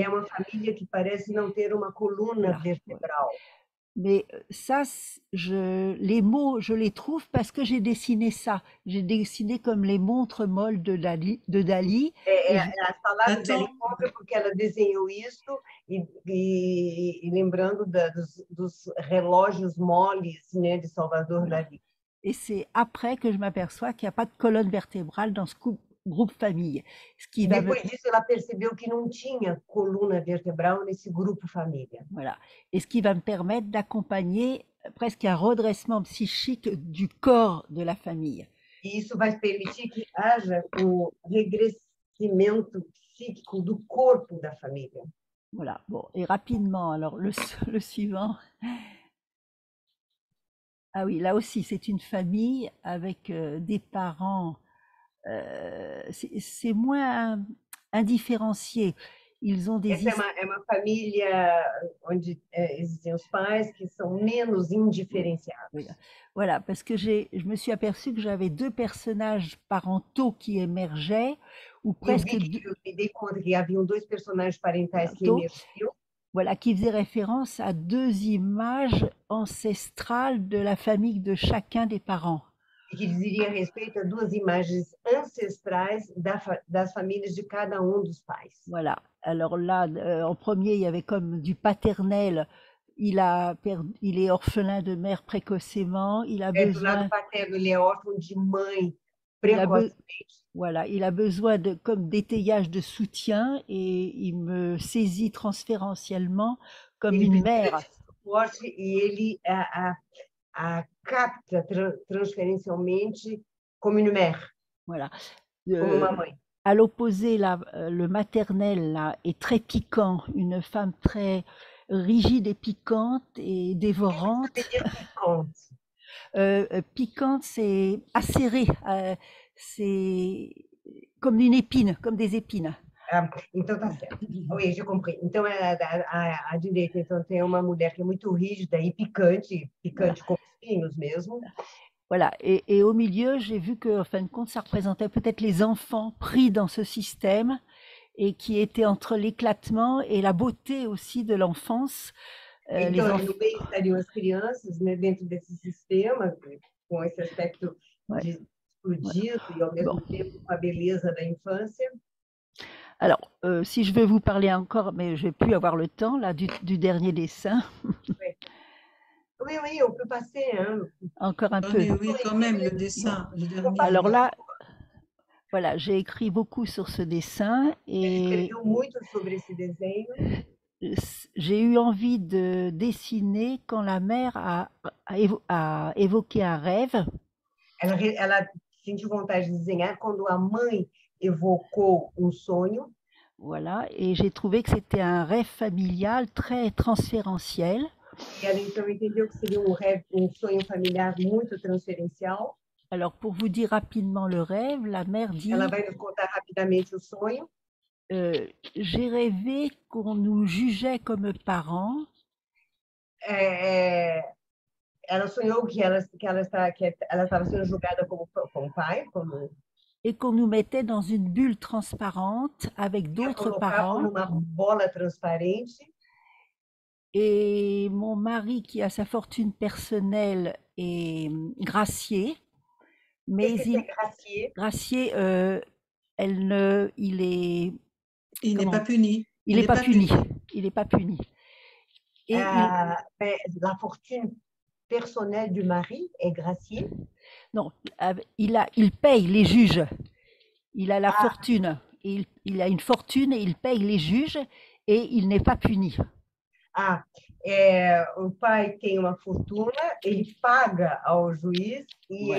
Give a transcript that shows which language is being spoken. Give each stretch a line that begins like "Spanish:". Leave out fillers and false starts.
Portuguese: E é uma família que parece não ter uma coluna voilà.
French: Vertébrale. Mais ça, les mots, je les trouve parce que j'ai dessiné ça. J'ai dessiné comme les montres molles de Dali.
Portuguese: As palavras dela encontram porque ela desenhou isso e lembrando dos relógios moles, né, de Salvador Dali.
French: Et c'est après que je m'aperçois qu'il n'y a pas de colonne vertébrale dans ce groupe famille. Ce qui
Portuguese: depois disso, ela percebeu que não tinha coluna vertebral nesse grupo família.
French: Voilà. Et ce qui va me permettre d'accompagner presque un redressement psychique du corps de la famille.
Portuguese: E isso vai permitir que haja o regressimento psíquico do corpo da família.
French: Voilà. Bon, et rapidement, alors le suivant. Ah oui, là aussi, c'est une famille avec des parents. C'est moins indifférencié. Ils ont des. C'est une famille où existent les pères qui sont moins indifférenciables. Voilà, parce que je me suis aperçue que j'avais deux personnages parentaux qui émergeaient, ou presque. Il y avait deux personnages parentaux qui émergeaient. Voilà, qui faisaient référence à deux images ancestrales de la famille de chacun des parents. Que dizia respeito a duas imagens ancestrais das famílias de cada um dos pais. Voilà. Alors là, en premier, il y avait comme du paternel. Il est orphelin de mère précocement. Il a besoin.
Portuguese: Do lado paterno, ele é órfão de mãe précocemente.
French: Voilà. Il a besoin de comme d'étayage de soutien et il me saisit transférentiellement comme
Portuguese: ele
French: une mère.
Portuguese: Forte e ele a capta
French: transférentiellement comme une mère. Voilà. Comme une maman. À l'opposé, le maternel là, est très piquant, une femme très rigide et piquante et dévorante. Piquante. Piquante, c'est acéré, c'est comme une épine, comme des épines.
Portuguese: Então tá certo.
French: Oui, j'ai compris.
Portuguese: Então é à direita, então tem uma mulher que é muito rígida e piquante, piquante voilà. Com espinhos mesmo.
French: Voilà, et au milieu, j'ai vu que, en fin de compte, ça représentait peut-être les enfants pris dans ce système et qui étaient entre l'éclatement et la beauté aussi de l'enfance.
Portuguese: Donc, no meio estariam as crianças, né, dentro desse sistema, com esse aspecto explodido voilà. E ao mesmo bon. Tempo com a beleza da infância.
French: Alors, si je veux vous parler encore, mais je ne vais plus avoir le temps, là, du dernier dessin. Oui, oui, on peut passer. Hein. Encore un oui, peu. Oui, quand même, le dessin. Le dernier. Alors là, voilà, j'ai écrit beaucoup sur ce dessin. Et j'ai écrit beaucoup sur ce dessin. J'ai eu envie de dessiner quand la mère a évoqué un rêve. Elle a senti vontade de dessiner quand la mère évoquant un sonho. Voilà, et j'ai trouvé que c'était un rêve familial très transférentiel.
Portuguese: Ela então entendeu que seria rêve, sonho familiar muito transferencial.
French: Alors, pour vous dire rapidement le rêve, la mère dit...
Portuguese: Ela vai nous contar rapidamente o sonho.
French: J'ai rêvé qu'on nous jugeait comme parents.
Portuguese: Ela sonhou que ela estava sendo julgada como pai, como...
French: Et qu'on nous mettait dans une bulle transparente avec d'autres parents.
Portuguese: Numa bola transparente.
French: Et mon mari, qui a sa fortune personnelle, est gracié. Mais il est gracié. Gracié, il est... Il n'est pas puni. Il n'est pas puni. Il n'est pas puni. Et la fortune personnelle du mari est graciée. Non, il paye les juges. Il a la fortune. Il a une fortune et il paye les juges et il n'est pas puni.
Portuguese: Ah, o pai tem uma fortuna, ele paga ao juiz e voilà.